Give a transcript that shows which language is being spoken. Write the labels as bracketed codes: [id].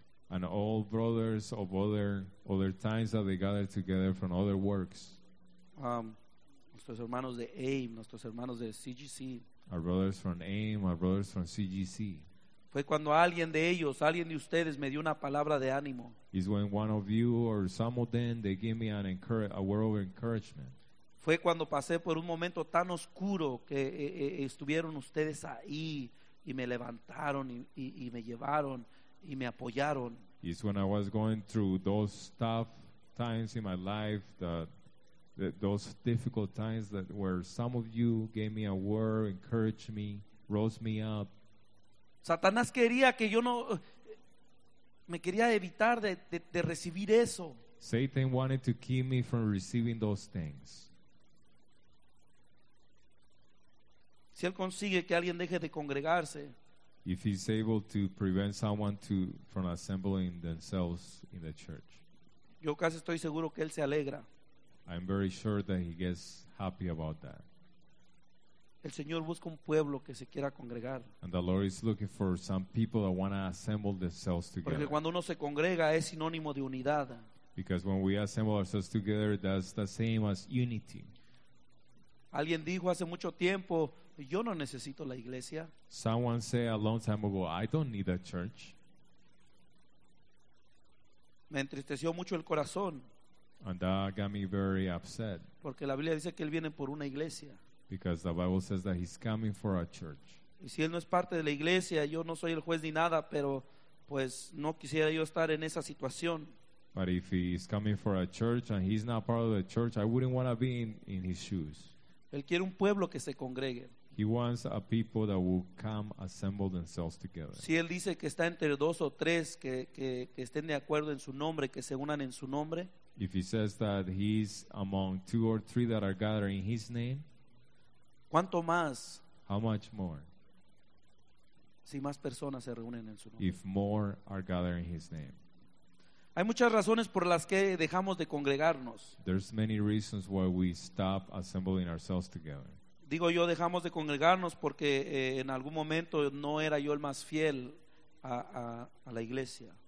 [en] and all brothers of other times that they gather together from other works, [es] nuestros hermanos de AIM, nuestros hermanos de CGC, [en] our brothers from AIM, our brothers from CGC, [es] fue cuando alguien de ellos, alguien de ustedes, me dio una palabra de ánimo. [en] Is when one of you or some of them they gave me a word of encouragement. [es] Fue cuando pasé por un momento tan oscuro que estuvieron ustedes ahí y me levantaron y me llevaron y me apoyaron. [en] Is when I was going through those tough times in my life, that those difficult times that where some of you gave me a word, encouraged me, rose me up. [es] Satanás quería que yo no me quería evitar de recibir eso. [en] Satan wanted to keep me from receiving those things. [es] Si él consigue que alguien deje de congregarse, [en] if he's able to prevent someone from assembling themselves in the church, [es] yo casi estoy seguro que él se alegra. [en] I'm very sure that he gets happy about that. [es] El Señor busca un pueblo que se quiera congregar. [en] And the Lord is looking for some people that want to assemble themselves together. [es] Porque cuando uno se congrega es sinónimo de unidad. [en] Because when we assemble ourselves together, that's the same as unity. [es] Alguien dijo hace mucho tiempo, yo no necesito la iglesia. [en] Someone said a long time ago, I don't need a church. [es] Me entristeció mucho el corazón. [en] And that got me very upset. [es] Porque la Biblia dice que él viene por una iglesia. [en] Because the Bible says that he's coming for a church. [es] Y si él no es parte de la iglesia, yo no soy el juez ni nada, pero pues no quisiera yo estar en esa situación. [en] But if he's coming for a church and he's not part of the church, I wouldn't want to be in his shoes. [es] Él quiere un pueblo que se congregue. [en] He wants a people that will come assemble themselves together. [es] Si él dice que está entre dos o tres que estén de acuerdo en su nombre, que se unan en su nombre. [en] If he says that he's among two or three that are gathered in his name. [es] ¿Cuánto más? [en] How much more? [es] Si más personas se reúnen en su nombre. [en] If more are gathered in his name. [es] Hay muchas razones por las que dejamos de congregarnos. [en] There's many reasons why we stop assembling ourselves together. [es] Digo yo dejamos de congregarnos porque en algún momento no era yo el más fiel a la iglesia.